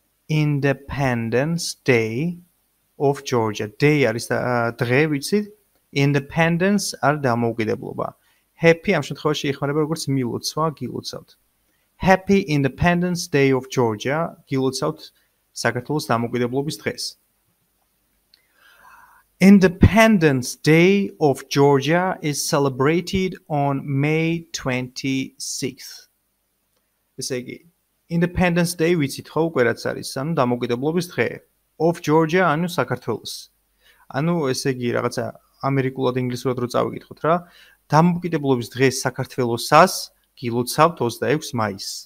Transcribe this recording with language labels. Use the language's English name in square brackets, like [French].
[English] Independence Day of Georgia. [Georgian] Day არის დღე, ვიცით? Independence არის დამოუკიდებლობა. Happy ამ შემთხვევაში ეხმარება როგორც მილოცვა, გილოცავთ. [English] Happy Independence Day of Georgia, [Georgian] გილოცავთ საქართველოს დამოუკიდებლობის დღეს. [English] Independence Day of Georgia is celebrated on May 26th. [Georgian] ესე იგი, Independence Day ვიცით ხო, ყველაც არის, ანუ დამოუკიდებლობის დღე. Of Georgia, ანუ საქართველოს. ანუ ესე იგი, რაღაცა ამერიკულად ინგლისურად რო წავიკითხოთ რა, დამოუკიდებლობის დღეს საქართველოსას გილოცავთ 26 მაისს.